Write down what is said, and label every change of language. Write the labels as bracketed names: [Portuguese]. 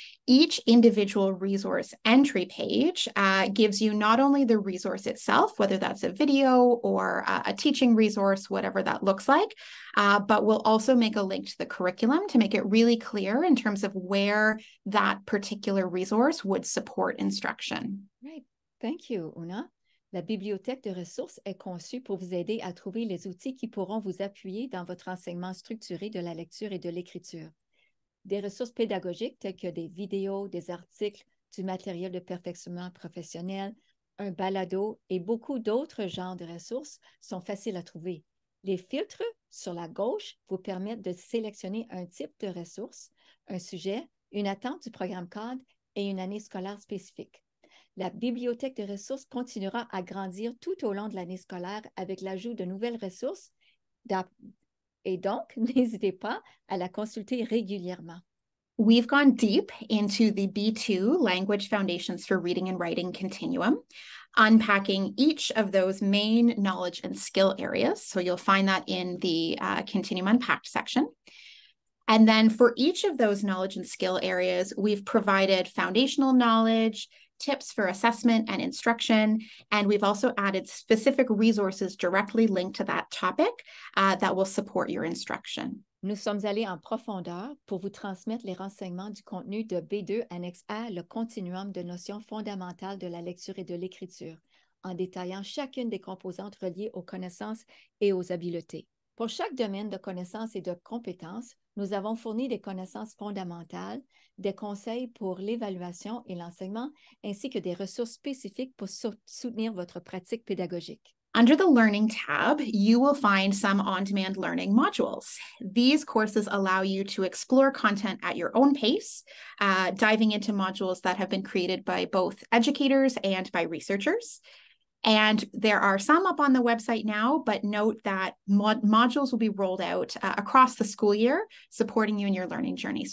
[English] Each individual resource entry page gives you not only the resource itself, whether that's a video or a teaching resource, whatever that looks like, but we'll also make a link to the curriculum to make it really clear in terms of where that particular resource would support instruction. Great. Thank you, Una. [French] La bibliothèque de ressources est conçue pour vous aider à trouver les outils qui pourront vous appuyer dans votre enseignement structuré de la lecture et de l'écriture. Des ressources pédagogiques telles que des vidéos, des articles, du matériel de perfectionnement professionnel, un balado et beaucoup d'autres genres de ressources sont faciles à trouver. Les filtres sur la gauche vous permettent de sélectionner un type de ressource, un sujet, une attente du programme cadre et une année scolaire spécifique. La bibliothèque de ressources continuera à grandir tout au long de l'année scolaire avec l'ajout de nouvelles ressources et donc, n'hésitez pas à la consulter régulièrement. [English] We've gone deep into the B2 Language Foundations for Reading and Writing Continuum. unpacking each of those main knowledge and skill areas. So you'll find that in the Continuum Unpacked section. And then for each of those knowledge and skill areas, we've provided foundational knowledge, tips for assessment and instruction, and we've also added specific resources directly linked to that topic that will support your instruction. [French] Nous sommes allés en profondeur pour vous transmettre les renseignements du contenu de B2 annexe A, le continuum de notions fondamentales de la lecture et de l'écriture, en détaillant chacune des composantes reliées aux connaissances et aux habiletés. Pour chaque domaine de connaissances et de compétences, nous avons fourni des connaissances fondamentales, des conseils pour l'évaluation et l'enseignement, ainsi que des ressources spécifiques pour soutenir votre pratique pédagogique. [English] Under the Learning tab, you will find some on-demand learning modules. These courses allow you to explore content at your own pace, diving into modules that have been created by both educators and by researchers. And there are some up on the website now, but note that modules will be rolled out across the school year, supporting you in your learning journey.